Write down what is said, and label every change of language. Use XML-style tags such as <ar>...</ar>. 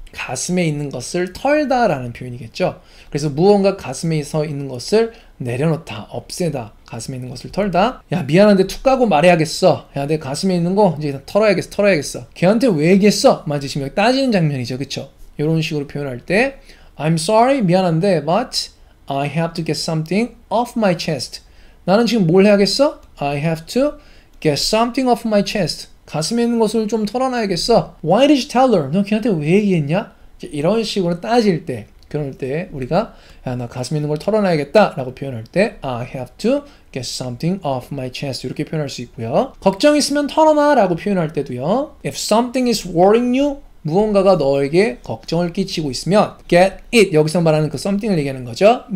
<ko>가슴에 있는 것을 털다라는 표현이겠죠. 그래서 무언가 가슴에 있어 있는 것을 내려놓다, 없애다, 가슴에 있는 것을 털다. 야, 미안한데 툭 까고 말해야겠어. 야, 내 가슴에 있는 거 이제 털어야겠어, 털어야겠어. 걔한테 왜 얘기했어? 마치 지금 여기 따지는 장면이죠, 그쵸?</ko> <en>이런 식으로 표현할 때, I'm sorry,</en> <ko>미안한데,</ko> <en>but I have to get something off my chest.</en> <ko>나는 지금 뭘 해야겠어?</ko> <en>I have to get something off my chest.</en> <ko>가슴에 있는 것을 좀 털어놔야겠어.</ko> <en>Why did you tell her?</en> <ko>너 걔한테 왜 얘기했냐? 이런 식으로 따질 때, 그럴 때 우리가 야, 나 가슴에 있는 걸 털어놔야겠다라고 표현할 때</ko> <en>I have to get something off my chest</en> <ko>이렇게 표현할 수 있고요. 걱정 있으면 털어놔라고 표현할 때도요.</ko> <en>If something is worrying you,</en> <ko>무언가가 너에게 걱정을 끼치고 있으면 get it, 여기서 말하는 그 something을 얘기하는 거죠.</ko>